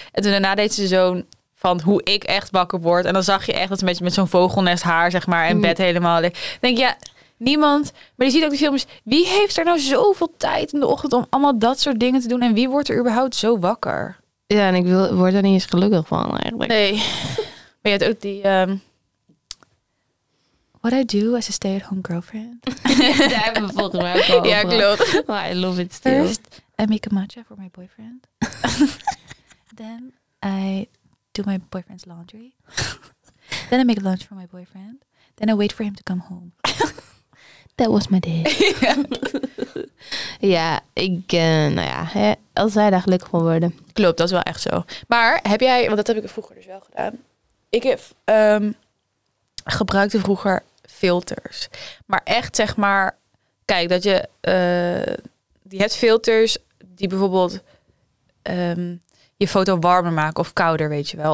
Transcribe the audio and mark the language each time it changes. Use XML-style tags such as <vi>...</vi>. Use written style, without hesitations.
<nl>En toen daarna deed ze zo'n van hoe ik echt wakker word. En dan zag je echt dat ze met zo'n vogelnest haar, zeg maar, en bed helemaal licht. Dan denk je, ja, niemand, maar je ziet ook die films, wie heeft er nou zoveel tijd in de ochtend om allemaal dat soort dingen te doen? En wie wordt er überhaupt zo wakker? Ja, en ik word er niet eens gelukkig van eigenlijk. Nee. Maar je hebt ook die...</nl> <en>What I do as a stay-at-home girlfriend.</en> <nl>Daar hebben we volgens mij ook al. Ja, klopt.</nl> <en>Well, I love it still. First, I make a matcha for my boyfriend. Then I do my boyfriend's laundry. Then I make lunch for my boyfriend. Then I wait for him to come home. That was my day.</en> <nl>Ja, ik, nou ja, als hij daar gelukkig van worden. Klopt, dat is wel echt zo. Maar heb jij, want dat heb ik vroeger dus wel gedaan. Ik heb, gebruikte vroeger filters. Maar echt, zeg maar, kijk, dat je, je hebt filters die bijvoorbeeld je foto warmer maken of kouder, weet je wel.</nl>